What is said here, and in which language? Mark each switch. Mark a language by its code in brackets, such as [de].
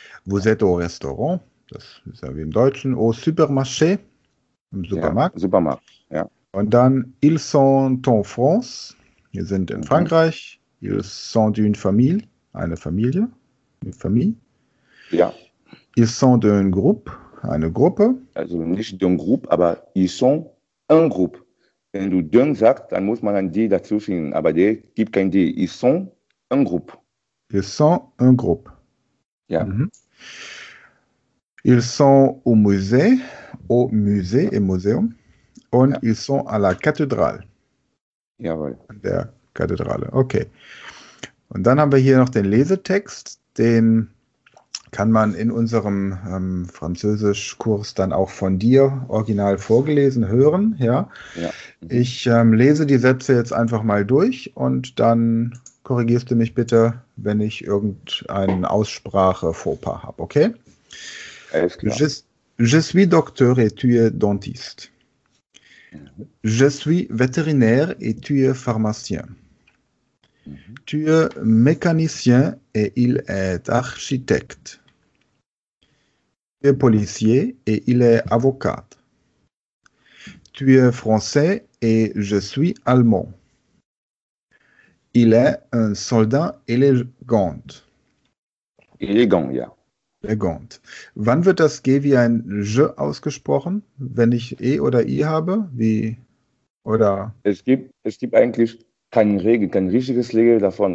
[fr] Vous êtes au Restaurant, [de] das ist ja wie im Deutschen. [fr] Au Supermarché, [de] im Ja, Supermarkt. Supermarkt, ja. Und dann, [fr] ils sont en France, [de] wir sind in Frankreich. [fr] Ils sont une famille, [de] eine Familie, [fr] une famille. [de] Ja. [fr] Ils sont un groupe, [de] eine Gruppe. Also nicht den Group, aber [fr] ils sont un Group. [de] Wenn du den sagst, dann muss man ein D dazu finden, aber der gibt kein D. [fr] Ils sont un Group. Ils sont un groupe. [de] Ja. [fr] Ils sont au musée et Museum. [de] Und [fr] ils sont à la cathédrale. [de] Jawohl. An der Kathedrale. Okay. Und dann haben wir hier noch den Lesetext, den kann man in unserem Französischkurs dann auch von dir original vorgelesen hören. Ja, Ja. ich lese die Sätze jetzt einfach mal durch und dann korrigierst du mich bitte, wenn ich irgendeinen Aussprache-Fauxpas habe. Okay? Alles klar. [fr] Je suis docteur et tu es dentiste. Je suis vétérinaire et tu es pharmacien. Tu es mécanicien et il est architecte. Tu es policier et il est avocat. Tu es français et je suis allemand. Il est un soldat élégant. Élégant, [de] ja. [fr] Élégant. [de] Wann wird das G wie ein Je ausgesprochen? Wenn ich E oder I habe? Wie? Oder? Es gibt eigentlich keine Regel, kein richtiges Regel davon.